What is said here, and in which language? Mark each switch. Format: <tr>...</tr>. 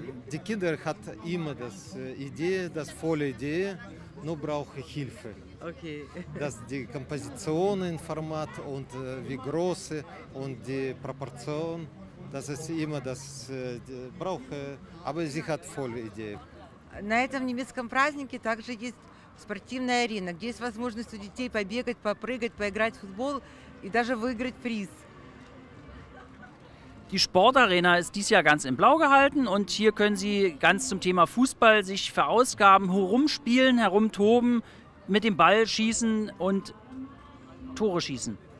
<de>Die Kinder hat immer das Idee, das volle Idee, nur brauche ich Hilfe.</de> <en>Okay.</en> <de>Dass die Komposition in Format und wie groß und die Proportion, das ist immer das brauche, aber sie hat volle Idee.</de> <ru>На этом немецком празднике также есть спортивная арена, где есть возможность у детей побегать, попрыгать, поиграть в футбол и даже выиграть приз.</ru> <de>Die Sportarena ist dieses Jahr ganz in Blau gehalten und hier können Sie ganz zum Thema Fußball sich verausgaben, herumspielen, herumtoben, mit dem Ball schießen und Tore schießen.</de>